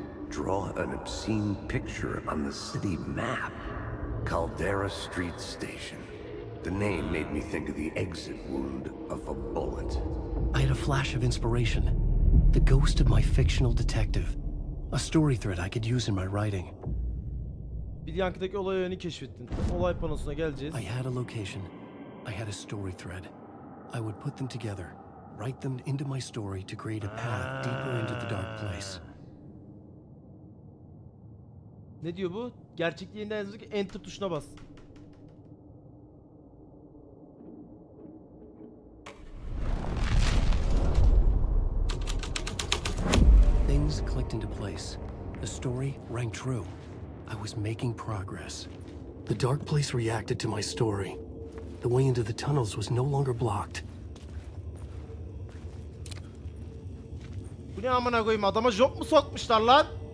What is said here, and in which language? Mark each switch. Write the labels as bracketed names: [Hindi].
[English] draw an obscene picture on the city map. Caldera Street Station. The name made me think of the exit wound of a bullet. I had a flash of inspiration. The ghost of my fictional detective. A story thread I could use in my writing. [Turkish] Bir yankıdaki olaya yönü keşfettin. Olay panosuna geleceğiz. [English] I had a location. I had a story thread. I would put them together. Write them into my story to create a path deeper into the dark place. [Turkish] Ne diyor bu? Gerçekliğinden yazdık. Enter tuşuna bas. [English] Things clicked into place. The story rang true. I was making progress. The dark place reacted to my story. The way into the tunnels was no longer blocked. [Turkish] Bu ne amına koyayım, adama job mu sokmuşlar lan?